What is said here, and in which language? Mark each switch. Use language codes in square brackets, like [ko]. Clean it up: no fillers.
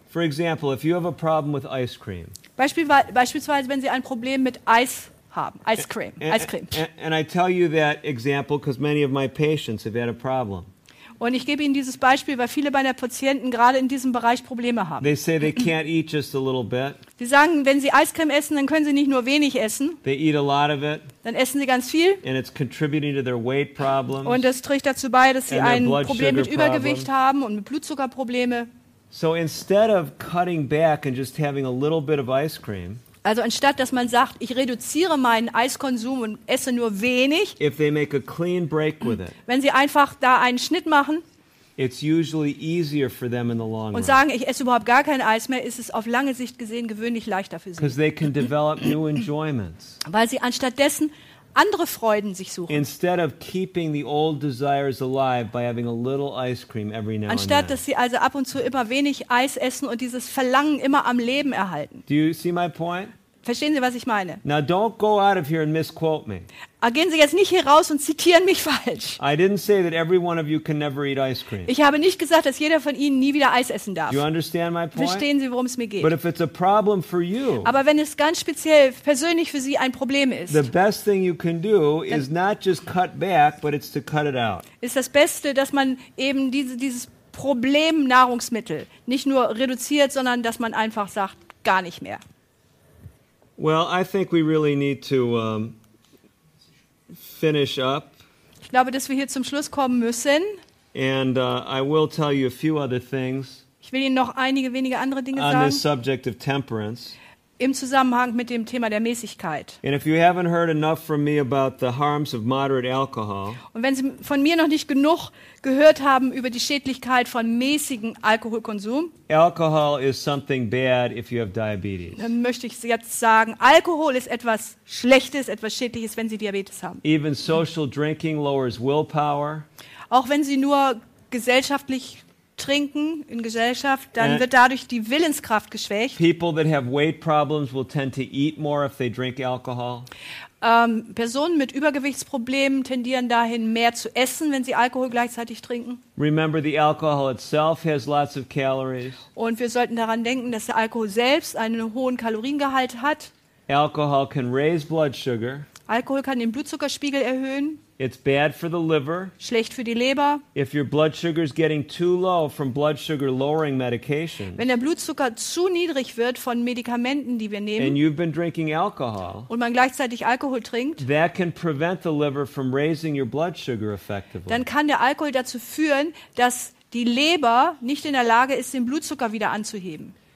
[en] For example, if you have a problem with ice cream. [de] Beispielsweise, wenn Sie ein Problem mit Eis haben, Eiscreme. [en] And I tell you that example because many of my patients have had a problem. [de] Und ich gebe Ihnen dieses Beispiel, weil viele meiner Patienten gerade in diesem Bereich Probleme haben. [en] They say they can't eat just a little bit. [de] Sie sagen, wenn Sie Eiscreme essen, dann können Sie nicht nur wenig essen. [en] They eat a lot of it. [de] Dann essen Sie ganz viel. [en] And it's contributing to their weight problems. [de] Und das trägt dazu bei, dass Sie ein Problem mit Übergewicht haben und mit Blutzuckerprobleme. [en] So instead of cutting back and just having a little bit of ice cream. [de] Also anstatt, dass man sagt, ich reduziere meinen Eiskonsum und esse nur wenig, [en] if they make a clean break with it, [de] wenn sie einfach da einen Schnitt machen, [en] it's usually easier for them in the long [de] run. Und sagen, ich esse überhaupt gar kein Eis mehr, ist es auf lange Sicht gesehen gewöhnlich leichter für sie. [en] 'Cause they can develop new enjoyments. [de] Weil sie anstattdessen andere Freuden sich suchen. [en] Instead of keeping the old desires alive by having a little ice cream every now and then. [de] Anstatt dass sie also ab und zu immer wenig Eis essen und dieses Verlangen immer am Leben erhalten. [en] Do you see my point? [de] Verstehen Sie, was ich meine? [en] Now don't go out of here and misquote me. [de] Gehen Sie jetzt nicht hier raus und zitieren mich falsch. [en] I didn't say that every one of you can never eat ice cream. [de] Ich habe nicht gesagt, dass jeder von Ihnen nie wieder Eis essen darf. [en] You understand my point? [de] Verstehen Sie, worum es mir geht? [en] But if it's a problem for you, [de] aber wenn es ganz speziell persönlich für Sie ein Problem ist, [en] the best thing you can do is not just cut back, but it's to cut it out. [de] Ist das Beste, dass man eben dieses Problem Nahrungsmittel nicht nur reduziert, sondern dass man einfach sagt, gar nicht mehr. [en] Well, I think we really need to finish up. [de] Ich glaube, dass wir hier zum Schluss kommen müssen. [en] And I will tell you a few other things. [de] Ich will Ihnen noch einige wenige andere Dinge [en] on [de] sagen. [en] On this subject of temperance. [de] Im Zusammenhang mit dem Thema der Mäßigkeit. [en] And if you haven't heard enough from me about the harms of moderate alcohol. [de] Und wenn Sie von mir noch nicht genug gehört haben über die Schädlichkeit von mäßigem Alkoholkonsum. [en] Alcohol is something bad if you have diabetes. [de] Dann möchte ich jetzt sagen, Alkohol ist etwas Schlechtes, etwas Schädliches, wenn Sie Diabetes haben. [en] Even social drinking lowers willpower. [de] Auch wenn Sie nur gesellschaftlich trinken in Gesellschaft, dann wird dadurch die Willenskraft geschwächt. [en] People that have weight problems will tend to eat more if they drink alcohol. [de] Personen mit Übergewichtsproblemen tendieren dahin, mehr zu essen, wenn sie Alkohol gleichzeitig trinken. [en] Remember, the alcohol itself has lots of calories. [de] Und wir sollten daran denken, dass der Alkohol selbst einen hohen Kaloriengehalt hat. [en] Alcohol can raise blood sugar. [de] Alkohol kann den Blutzuckerspiegel erhöhen. [en] It's bad for the liver. [de] Schlecht für die Leber. [en] If your blood sugar is getting too low from blood sugar lowering medications. [de] Wenn der Blutzucker zu niedrig wird von Medikamenten, die wir nehmen. [en] And you've been drinking alcohol. [de] Und man gleichzeitig Alkohol trinkt. [en] That can prevent the liver from raising your blood sugar effectively. [de] Dann kann der Alkohol dazu führen, dass die Leber nicht in der Lage ist, den Blutzucker wieder anzuheben.